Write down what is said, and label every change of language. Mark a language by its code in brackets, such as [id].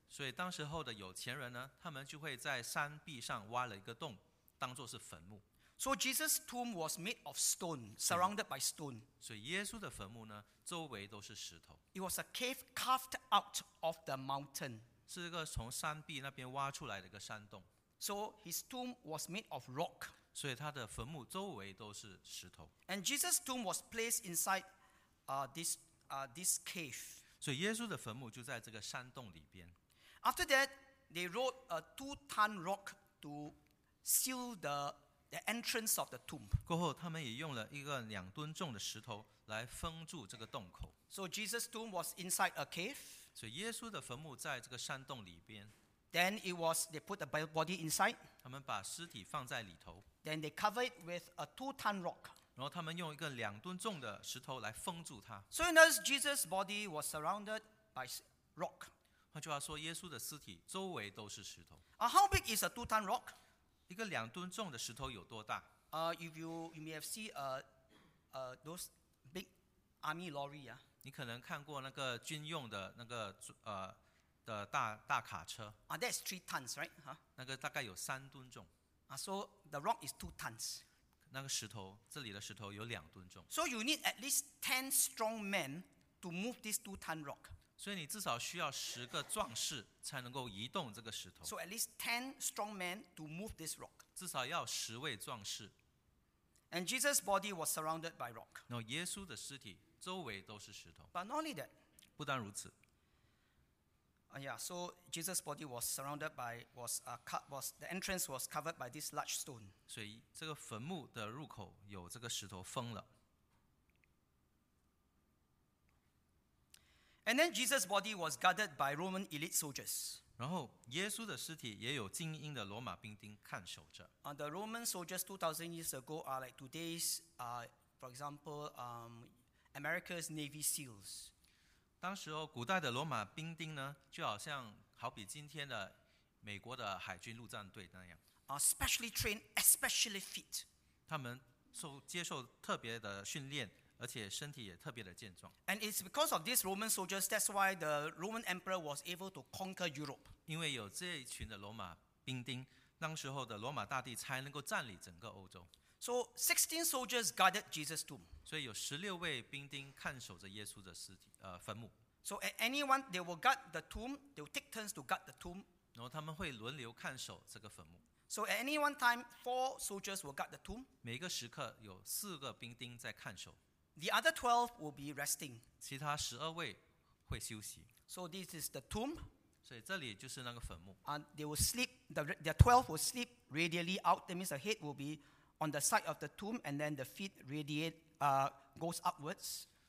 [zh] 所以当时候的有钱人呢，他们就会在山壁上挖了一个洞，当作是坟墓。 [en] So Jesus' tomb was made of stone, surrounded by stone. [zh] 所以耶稣的坟墓呢，周围都是石头。 [en] It was a cave carved out of the mountain. [zh] 是一个从山壁那边挖出来的一个山洞。 [en] So his tomb was made of rock. [zh] 所以他的坟墓周围都是石头。 [en] And Jesus' tomb was placed inside this cave. [zh] 所以耶稣的坟墓就在这个山洞里边。 [en] After that, they wrote a 2-ton rock to seal the entrance of the tomb. [zh] 过后他们也用了一个两吨重的石头来封住这个洞口。 [en] So Jesus' tomb was inside a cave. [zh] 所以耶稣的坟墓在这个山洞里边。 [en] Then it was they put the body inside. [zh] 他们把尸体放在里头。 [en] Then they cover it with a 2-ton rock. [zh] 然后他们用一个两吨重的石头来封住它。 [en] So in other words, Jesus' body was surrounded by rock. [zh] 换句话说，耶稣的尸体周围都是石头。 [en] How big is a 2-ton rock? [zh] 一个两吨重的石头有多大？ [en] If you may have seen those big army lorry, yeah. [zh] 你可能看过那个军用的那个的 大卡车。 [en] That's 3 tons, right? Huh? [zh] 那个大概有三吨重。 [en] So the rock is 2 tons. [zh] 那个石头，这里的石头有两吨重。 [en] So you need at least 10 strong men to move this 2-ton rock. [zh] 所以你至少需要十个壮士才能够移动这个石头。 [en] So at least 10 strong men to move this rock. [zh] 至少要十位壮士。 [en] And Jesus' body was surrounded by rock. [zh] 然后耶稣的尸体周围都是石头。 [en] But not only that. [zh] 不单如此。 [en] Yeah, so Jesus' body was surrounded by was the entrance was covered by this large stone. [zh] 所以这个坟墓的入口有这个石头封了。 [en] And then Jesus' body was guarded by Roman elite soldiers. [zh] 然后耶稣的尸体也有精英的罗马兵丁看守着。 [en] The Roman soldiers 2,000 years ago are like today's, for example, America's Navy SEALs. [zh] 当时古代的罗马兵丁呢，就好像好比今天的美国的海军陆战队那样。 [en] Specially trained, especially fit. [zh] 他们接受特别的训练，而且身体也特别的健壮。 [en] And it's because of these Roman soldiers that's why the Roman emperor was able to conquer Europe. [zh] 因为有这一群的罗马兵丁，当时候的罗马大帝才能够占领整个欧洲。 [en] So 16 soldiers guarded Jesus' tomb. [zh] 所以有16位兵丁看守着耶稣的尸体，坟墓。 [en] So at any one, they will guard the tomb. They will take turns to guard the tomb. [zh] 然后他们会轮流看守这个坟墓。 [en] So at any one time, 4 soldiers will guard the tomb. [zh] 每个时刻有4个兵丁在看守。 [en] The other 12 will be resting. [zh] 其他12位会休息。 [en] So this is the tomb. [zh] 所以这里就是那个坟墓。 [en] And they will sleep. The 12 will sleep radially out. That means the head will be on the side of the tomb, and then the feet radiate, goes upwards.